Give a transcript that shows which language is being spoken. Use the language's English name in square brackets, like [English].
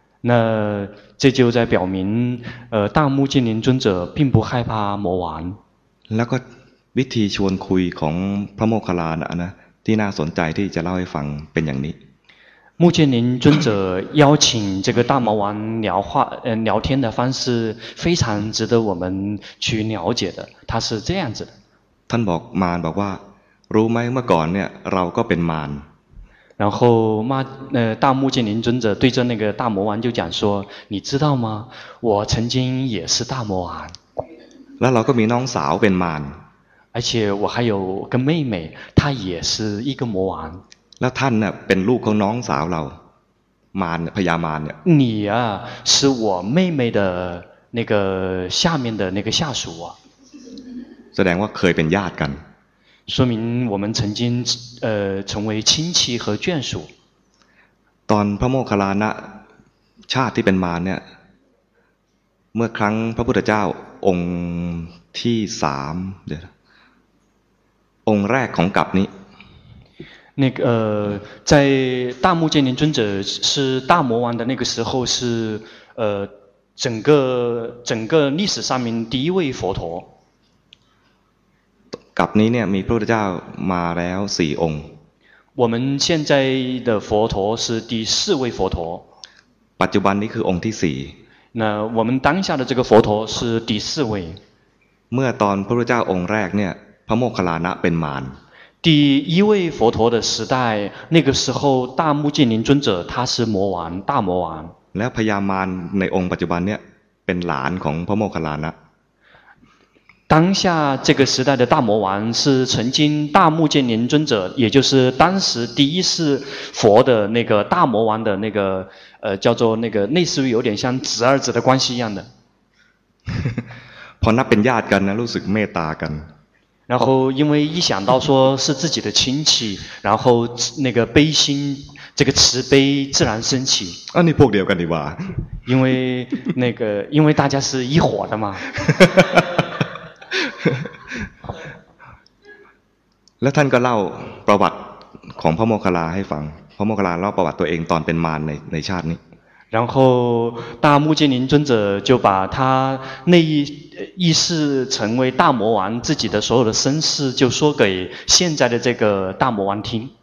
[Chinese] 那这就在表明大目犍连尊者并不害怕魔王 [Thai] แล้วก็วิธีชวนคุยของพระโมคคัลลานะนะที่น่าสนใจที่จะเล่าให้ฟังเป็นอย่างนี้ [Chinese] 目犍连尊者邀请这个大魔王聊话聊天的方式非常值得我们去了解的他是这样子的 [Thai] ท่านบอกมารบอกว่ารู้ไหมเมื่อก่อนเนี่ยเราก็เป็นมาร [Chinese] 然后大目犍连尊者对着那个大魔王就讲说你知道吗我曾经也是大魔王 [Thai] แล้วเราก็มีน้องสาวเป็นมาร [Chinese] 而且我还有个妹妹她也是一个魔王 [Thai] แล้วท่านเป็นลูกของน้องสาวเรามารพญามารเนี่ ย [Chinese] 你啊是我妹妹的那个下面的那个下属 [Thai] แสดงว่าเคยเป็นญาติกัน [Chinese] 说明我们曾经成为亲戚和眷属 [Thai] ตอนพระโมคคัลลานะชาติที่เป็นมารเนี่ยเมื่อครั้งพระพุทธเจ้าองค์ที่สามเดี๋ยวองค์แรกของกัปนี้ [Chinese] 那个在大目犍连尊者是大魔王的那个时候是整个历史上面第一位佛陀 [Thai] กัปนี้เนี่ยมีพระพุทธเจ้ามาแล้ว4องค์ [Chinese] 我们现在的佛陀是第四位佛陀 [Thai] ปัจจุบันนี้คือองค์ที่4 [Chinese] 那我们当下的这个佛陀是第四位 [Thai] เมื่อตอนพระพุทธเจ้าองค์แรกเนี่ยพระโมคคัลลานะเป็นมาร [Chinese] 第一位佛陀的时代那个时候大目犍连尊者他是魔王大魔王 [Thai] แล้วพญามารในองค์ปัจจุบันเนี่ยเป็นหลานของพระโมคคัลลานะ [Chinese] 当下这个时代的大魔王是曾经大目犍连尊者也就是当时第一世佛的那个大魔王的那个叫做那个类似于有点像侄儿子的关系一样的 [Thai] พอนับเป็นญาติกันนะรู้สึกเมตตากัน [Chinese] 然后因为一想到说是自己的亲戚然后那个悲心这个慈悲自然升起啊你破掉干你吧因为那个因为大家是一伙的嘛 [Thai] แล้วท่านก็เล่าประวัติของพระโมคคัลลาให้ฟังพระโมคคัลลาเล่าประวัติตัวเองตอนเป็นมารในชาตินี้ [Chinese] 然后大目犍连尊者就把他那一意识成为大魔王自己的所有的身世就说给现在的这个大魔王听。